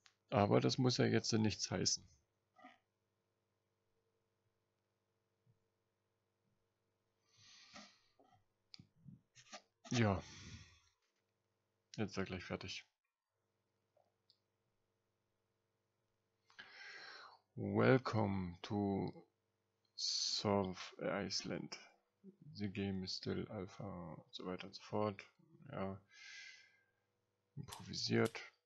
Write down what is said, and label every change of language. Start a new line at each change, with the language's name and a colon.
German: Aber das muss ja jetzt nichts heißen. Ja, jetzt ist er gleich fertig.
English: Welcome to Survive Iceland. The game is still alpha
German: und so weiter und so fort. Ja, improvisiert.